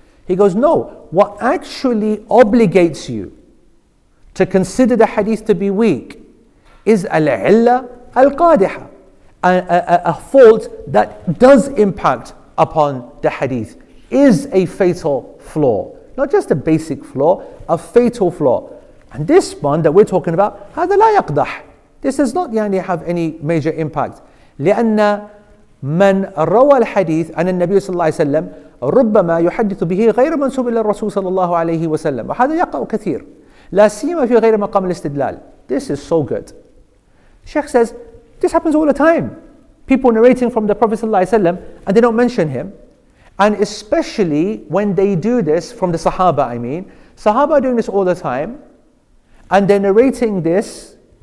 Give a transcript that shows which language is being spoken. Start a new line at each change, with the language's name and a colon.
English: He goes, no, what actually obligates you to consider the hadith to be weak is al-illah al-qadiha, a fault that does impact upon the hadith, is a fatal flaw. Not just a basic flaw, a fatal flaw. And this one that we're talking about,
Arabic: هذا لا يقدح.
English: This does not يعني have any major impact.
Arabic: لأن من روى الحديث عن النبي صلى الله عليه وسلم ربما يحدث به غير منسوب إلى الرسول صلى الله عليه وسلم وهذا يقع كثير لا سيما في غير مقام الاستدلال.
English: This is so good. Sheikh says, this happens all the time. People narrating from the Prophet
Arabic: صلى الله عليه وسلم
English: and they don't mention him. And especially when they do this from the Sahaba, I mean. Sahaba are doing this all the time. And they're narrating this.